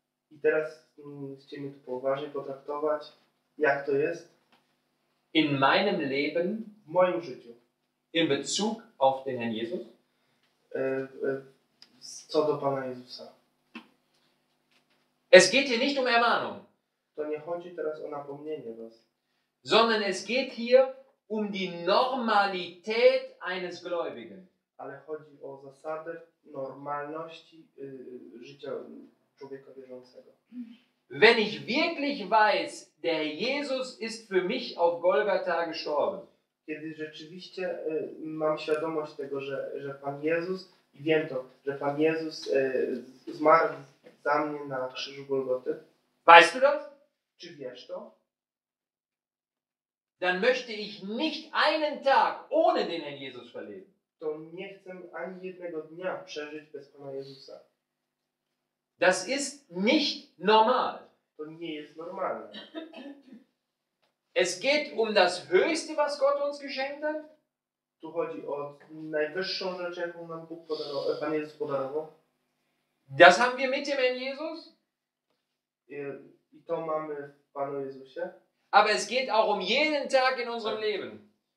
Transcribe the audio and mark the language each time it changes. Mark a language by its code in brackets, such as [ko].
[pl] I teraz chcę mnie tu poważnie potraktować. Jak to jest? [de] In meinem Leben, [pl] w moim życiu, [de] in Bezug auf den Herrn Jesus, [pl] co do Pana Jezusa. [de] Es geht hier nicht um Ermahnung. [pl] To nie chodzi teraz o napomnienie was. [de] Sondern es geht hier um die Normalität eines Gläubigen. [pl] Ale chodzi o zasadę normalności życia człowieka wierzącego. [de] Wenn ich wirklich weiß, der Jesus ist für mich auf Golgatha gestorben. [pl] Kiedy rzeczywiście mam świadomość tego, że Pan Jezus, i wiem to, że Pan Jezus zmarł za mnie na krzyżu Golgoty. [de] Weißt du das? [pl] Czy wiesz to? [de] Dann möchte ich nicht einen Tag ohne den Herrn Jesus verleben. [pl] To nie chcę ani jednego dnia przeżyć bez Pana Jezusa. [de] Das ist nicht normal. [pl] To nie jest normalne. [de] Es geht um das Höchste, was Gott uns geschenkt hat. [pl] Tu chodzi o najwyższą rzecz, jaką nam Bóg podarował, Pan Jezus podarował. [de] Das haben wir mit dem Herrn Jesus. [pl] I to mamy w Panu Jezusie. [de] Aber es geht auch um jeden Tag in unserem Leben.